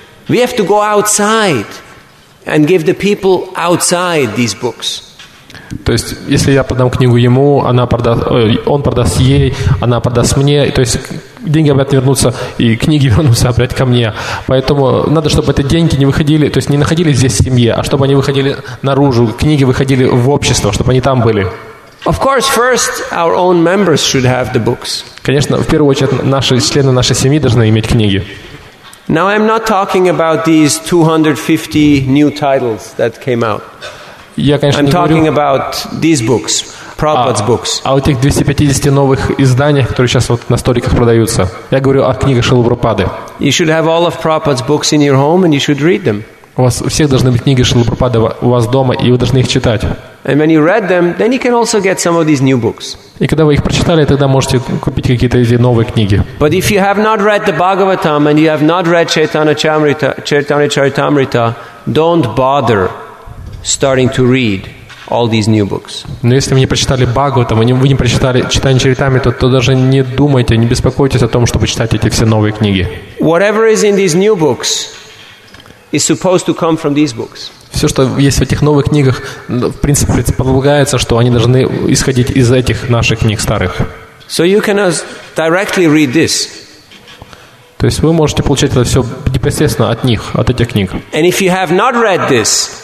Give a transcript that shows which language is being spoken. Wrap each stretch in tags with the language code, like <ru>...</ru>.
<en>We have to go outside and give the people outside these books.</en> <ru>То есть, если я продам книгу ему, она продаст, он продаст ей, она продаст мне. То есть, деньги обратно вернутся, и книги вернутся опять ко мне. Поэтому надо, чтобы эти деньги не выходили, то есть, не находились здесь в семье, а чтобы они выходили наружу, книги выходили в общество, чтобы они там были.</ru> <en>Of course, first our own members should have the books.</en> <ru>Конечно, в первую очередь, наши члены нашей семьи должны иметь книги.</ru> <en>Now I'm not talking about these 250 new titles that came out.</en> <ru>Я, конечно,</ru> <en>I'm talking</en> <ru>говорю,</ru> <en>about these books, Prabhupada's books.</en> <ru>А вот этих 250 новых изданий, которые сейчас вот на столиках продаются, я говорю о книгах Шрилы Прабхупады.</ru> <en>You should have all of Prabhupada's books in your home, and you should read them.</en> <ru>У вас у всех должны быть книги Шрилы Прабхупады у вас дома, и вы должны их читать.</ru> <en>And when you read them, then you can also get some of these new books.</en> <ru>И когда вы их прочитали, тогда можете купить какие-то эти новые книги.</ru> <en>But if you have not read the Bhagavatam and you have not read Chaitanya Charitamrita, don't bother starting to read all these new books.</en> <ru>Но если вы не прочитали Бхагаватам, вы не прочитали Чайтанья Чаритамриту, то даже не думайте, не беспокойтесь о том, чтобы читать эти все новые книги.</ru> <en>Whatever is in these new books is supposed to come from these books.</en> <ru>Все, что есть в этих новых книгах, в принципе, предполагается, что они должны исходить из этих наших книг старых.</ru> <en>So you can directly read this.</en> <ru>То есть вы можете получать это все непосредственно от них, от этих книг.</ru> <en>And if you have not read this,</en>